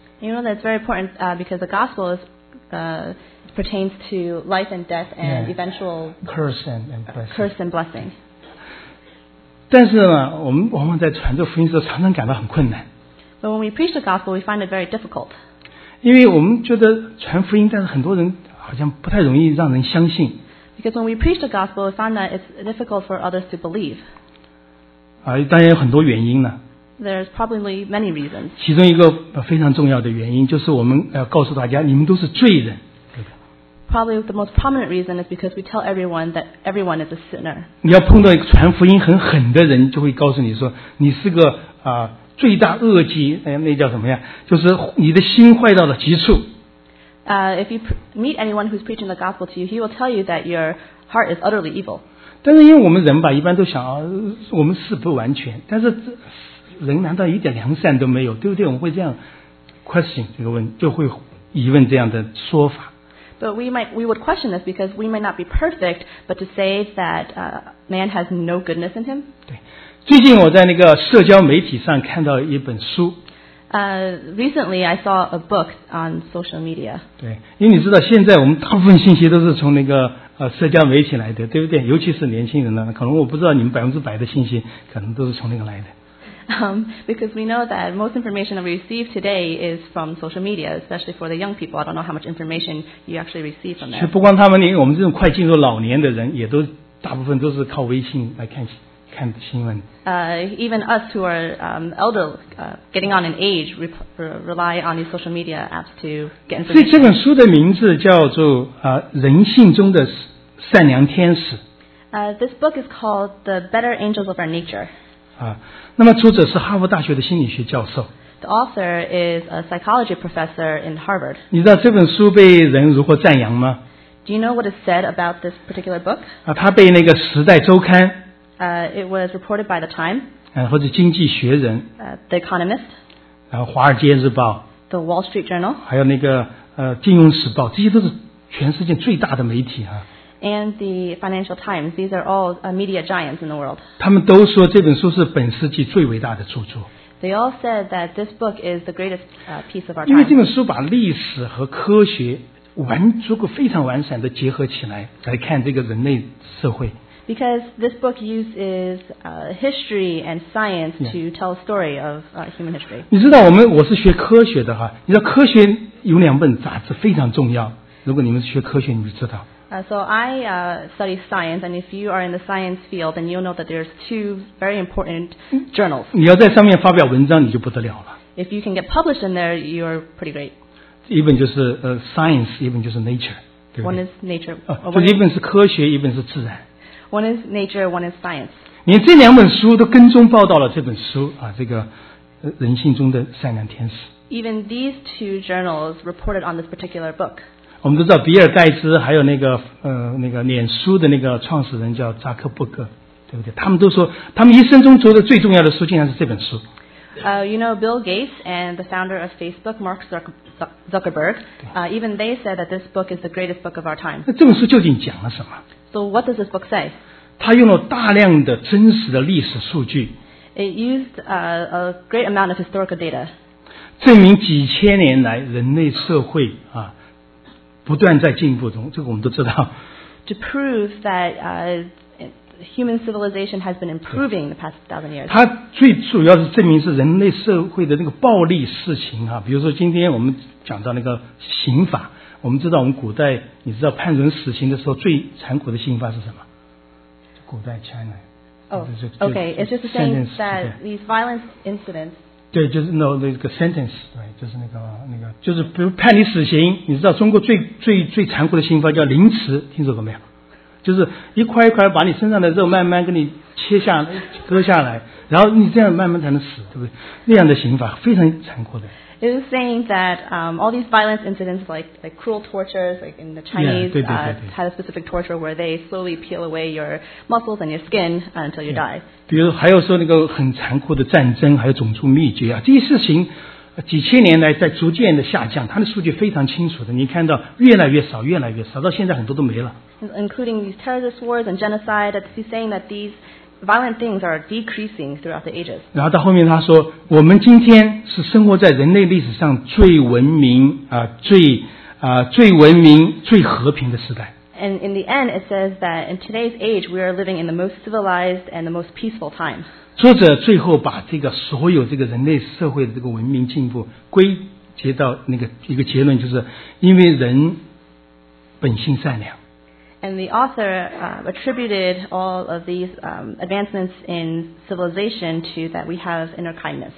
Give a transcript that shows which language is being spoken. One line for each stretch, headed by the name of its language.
English: You know that's very important, because the gospel is, pertains to life and death and eventual curse and blessing.
Chinese: 但是呢，我们往往在传这福音的时候，常常感到很困难。
English: But when we preach the gospel, we find it very difficult.
Chinese: 因为我们觉得传福音，但是很多人好像不太容易让人相信。
English: Because when we preach the gospel, we find that it's difficult for others to believe.
Chinese: 啊，当然有很多原因呢。
English: There's probably many reasons.
Chinese: 其中一个非常重要的原因就是我们告诉大家，你们都是罪人。
English: Probably the most prominent reason is because we tell everyone that everyone is a sinner.
Chinese: 你要碰到一个传福音很狠的人，就会告诉你说，你是个罪大恶极，那叫什么呀？就是你的心坏到了极处。
English: If you meet anyone who's preaching the gospel to you, he will tell you that your heart is utterly evil.
Chinese: 但是因为我们人吧，一般都想，我们是不完全，但是人难道一点良善都没有，对不对？我们会这样 question 这个问，就会疑问这样的说法。
English: But we would question this because we might not be perfect, but to say that man has no goodness in him.
Chinese: 对，最近我在那个社交媒体上看到一本书。
English: Recently I saw a book on social media.
Chinese: 对，因为你知道现在我们大部分信息都是从那个社交媒体来的，对不对？尤其是年轻人呢，可能我不知道你们100%的信息可能都是从那个来的。
English: Because we know that most information that we receive today is from social media, especially for the young people. I don't know how much information you actually receive from there.
Chinese: 不光他们，我们这种快进入老年的人，也都大部分都是靠微信来看新闻。
English: Even us who are elderly, getting on in age, rely on these social media apps to get information.
Chinese: 这本书的名字叫做人性中的善良天使。
English: This book is called The Better Angels of Our Nature.
Chinese: 那么，作者是哈佛大学的心理学教授。
English: The author is a psychology professor in Harvard.
Chinese: 你知道这本书被人如何赞扬吗
English: ？Do you know what is said about this particular book？
Chinese: 啊，它被那个《时代周刊》
English: it was reported by The Time。
Chinese: 或者《经济学人》
English: The Economist。
Chinese: 然后，《华尔街日报》
English: The Wall Street Journal。
Chinese: 还有那个《金融时报》，这些都是全世界最大的媒体啊。
English: And the Financial Times, these are all media giants in the world.
Chinese: 他们都说这本书是本世纪最伟大的著作。
English: They all said that this book is the greatest piece of our time.
Chinese: 因为这本书把历史和科学做过非常完善的结合起来来看这个人类社会。
English: Because this book uses history and science to tell a story of human history.
Chinese: 你知道我是学科学的哈，你知道科学有两本杂志非常重要。如果你们是学科学，你就知道。
English: So I study science, and if you are in the science field, then you'll know that there's two very important journals.
Chinese: 你要在上面发表文章，你就不得了了。
English: If you can get published in there, you're pretty great.
Chinese: 一本就是science, 一本就是 nature, 对不对？
English: One is nature.
Chinese: 就是一本是科学，一本是自然。
English: One is nature, one is science.
Chinese: 你这两本书都跟踪报道了这本书啊，这个人性中的善良天使。
English: Even these two journals reported on this particular book.
Chinese: 我们都知道比尔盖茨还有脸书的那个创始人叫扎克伯格，对不对？他们都说他们一生中读的最重要的书竟然是这本书。
English: You know Bill Gates and the founder of Facebook, Mark Zuckerberg, even they said that this book is the greatest book of our time.
Chinese: 那这本书究竟讲了什么
English: ？So what does this book say?
Chinese: 它用了大量的真实的历史数据。
English: It used a great amount of historical data.
Chinese: 证明几千年来人类社会啊。不断在进步中，这个我们都知道。
English: To prove that human civilization has been improving the past 1,000 years.
Chinese: 它最主要是证明是人类社会的那个暴力事情啊，比如说今天我们讲到那个刑法，我们知道我们古代，你知道判人死刑的时候最残酷的刑法是什么？古代 China。
English: It's just saying that these violent incidents.
Chinese: 对，就是 sentence， 对，就是那个，就是比如判你死刑，你知道中国最残酷的刑罚叫凌迟，听说过没有？就是一块一块把你身上的肉慢慢给你切下割下来，然后你这样慢慢才能死，对不对？那样的刑罚非常残酷的。
English: It was saying that all these violent incidents, like cruel tortures, like in the Chinese, had a specific torture where they slowly peel away your muscles and your skin until you die.
Chinese: 比如还有说那个很残酷的战争，还有种族灭绝啊，这些事情几千年来在逐渐的下降，它的数据非常清楚的，你看到越来越少，越来越少，到现在很多都没了。
English: Including these terrorist wars and genocide, he's saying that these violent things are decreasing throughout the ages.
Chinese: 然后到后面他说，我们今天是生活在人类历史上最文明啊、最文明、最和平的时代。
English: And in the end, it says that in today's age, we are living in the most civilized and the most peaceful time.
Chinese: 作者最后把这个所有这个人类社会的这个文明进步归结到那个一个结论，就是因为人本性善良。
English: And the author attributed all of these advancements in civilization to that we have inner kindness.